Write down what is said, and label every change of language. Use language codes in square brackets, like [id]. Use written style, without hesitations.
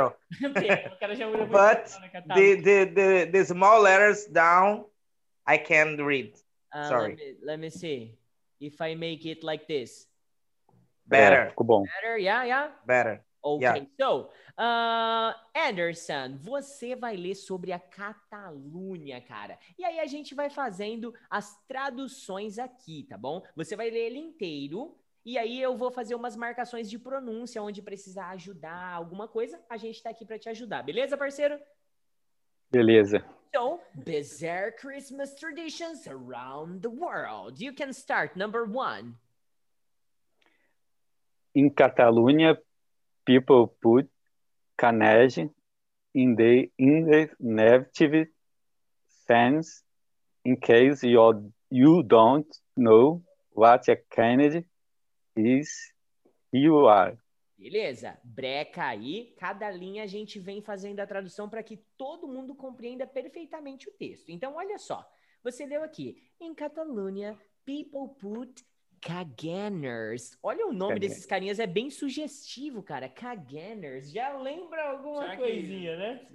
[en] But the small letters down, I can't read. Sorry. Let me see if I make it like this. Better. [pt] Ficou bom. [en] Better, yeah. Better. Okay. Yeah. [pt] So, Anderson, você vai ler sobre a Catalunha, cara. E aí a gente vai fazendo as traduções aqui, tá bom? Você vai ler ele inteiro. E aí eu vou fazer umas marcações de pronúncia onde precisar ajudar alguma coisa. A gente tá aqui pra te ajudar. Beleza, parceiro? Beleza. [en] Então, bizarre Christmas traditions around the world. You can start, number one. In Catalunya, people put canage in the negative sense in case you don't know what a canage is you are. [pt] Beleza. Breca aí. Cada linha a gente vem fazendo a tradução para que todo mundo compreenda perfeitamente o texto. Então, olha só. Você leu aqui. [en] In Catalunya, people put caganers. [pt] Olha o nome caganers. Desses carinhas. É bem sugestivo, cara. Caganers. Já lembra alguma coisinha, né?